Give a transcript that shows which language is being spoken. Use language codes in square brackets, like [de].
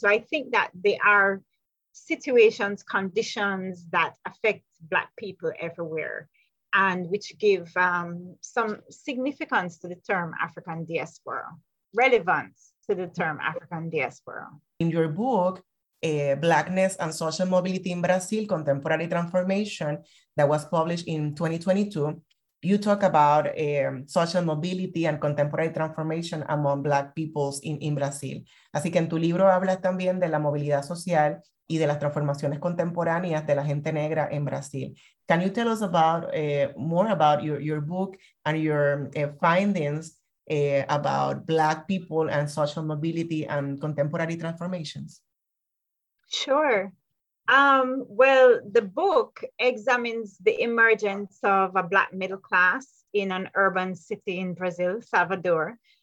[en] So I think that there are situations, conditions that affect Black people everywhere, and which give some significance to the term African diaspora, relevance to the term African diaspora. In your book, Blackness and Social Mobility in Brazil, Contemporary Transformation, that was published in 2022, you talk about social mobility and contemporary transformation among Black peoples in Brazil. [es] Así que en tu libro hablas también de la movilidad social y de las transformaciones contemporáneas de la gente negra en Brasil. [en] Can you tell us about more about your book and your findings about Black people and social mobility and contemporary transformations? Sure. Well, the book examines the emergence of a Black middle class in an urban city in Brazil, Salvador.